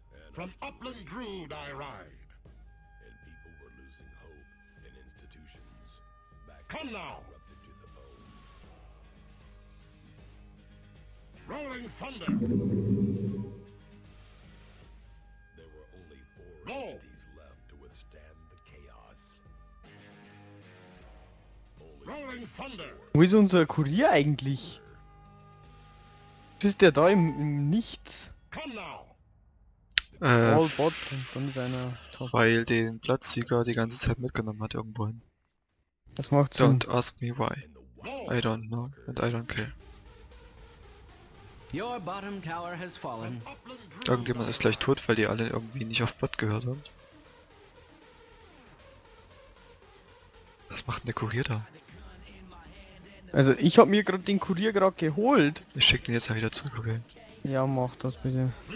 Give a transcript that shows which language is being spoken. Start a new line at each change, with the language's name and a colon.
English: And from Upland Druid I ride. And people were losing hope in institutions. Back come now. Corrupted to the bone. Rolling thunder. There were only four entities left to withstand the chaos. Only rolling thunder.
German: Wo ist unser Kurier eigentlich? Ist der da im Nichts? All Bot, dann ist einer top. Weil den Platzsieger die ganze Zeit mitgenommen hat irgendwohin. Das macht Sinn.
English: Don't ask me why. I don't know and I don't care. Your bottom tower has fallen.
German: Irgendjemand ist gleich tot, weil die alle irgendwie nicht auf Bot gehört haben. Was macht denn der Kurier da? Also ich hab mir gerade den Kurier gerade geholt. Ich schick den jetzt halt wieder zurück, okay? Ja, mach das bitte.